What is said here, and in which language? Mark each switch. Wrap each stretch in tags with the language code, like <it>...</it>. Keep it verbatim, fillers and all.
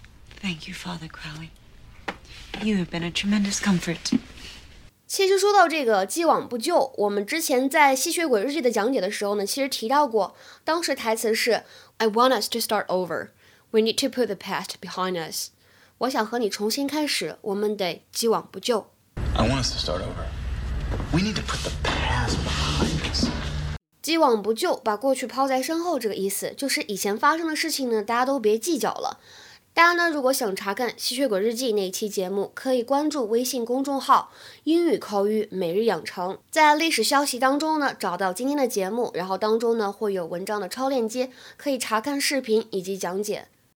<en>Thank you, Father Crowley. You have been a tremendous comfort.</en> <zh>其实说到这个既往不咎，我们之前在吸血鬼日记的讲解的时候呢，其实提到过，当时台词是</zh> <en>I want us to start over. We need to put the past behind us.</en> <zh>我想和你重新开始，我们得既往不咎。</zh> <en>I want us to start over. We need to put the past behind us.</en> <zh>既往不咎，把过去抛在身后，这个意思就是以前发生的事情呢，大家都别计较了。大家呢，如果想查看《吸血鬼日记》那一期节目，可以关注微信公众号英语口语每日养成，在历史消息当中呢，找到今天的节目，然后当中呢，会有文章的超链接，可以查看视频以及讲解。</zh>